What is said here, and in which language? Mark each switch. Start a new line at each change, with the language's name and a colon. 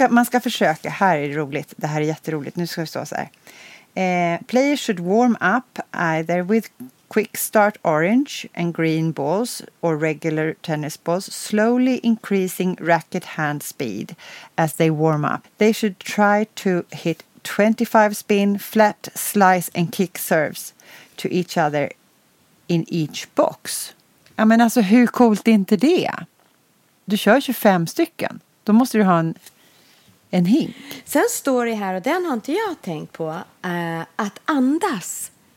Swedish: Man ska försöka, här är det roligt, det här är jätteroligt, nu ska vi stå så här.
English: Players should warm up either with quick start orange and green balls or regular tennis balls, slowly increasing racket hand speed as they warm up. They should try to hit 25 spin, flat, slice and kick serves to each other in each box.
Swedish: Ja, men alltså, hur coolt är inte det? Du kör 25 stycken. Då måste du ha en hink. Sen står det här, och den har inte jag tänkt på, att andas.